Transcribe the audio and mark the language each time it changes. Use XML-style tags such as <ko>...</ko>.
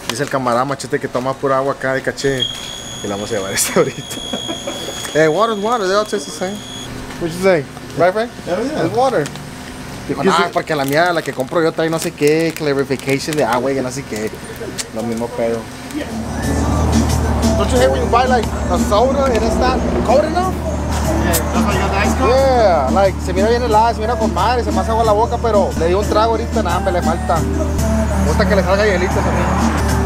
<es>Camarada Machete que toma pura agua acá de caché y la vamos a llevar ahorita.</es> <en>Hey, water's water, they all taste the same. What you say? Right, Frank? Yeah. It's water.</en> <es>Digo, nah, porque la mía, la que compro yo trae no sé qué, clarification de agua y no sé qué. Lo mismo pedo.</es> <en>Don't you hate when you buy like a soda and it's not cold enough? Yeah, that's like your ice cream.</en> <es>Yeah, like se mira bien helada, se mira con madre, se me hace agua la boca, pero le di un trago ahorita, nada, me le falta. Me gusta que le salga hielito a mí.</es>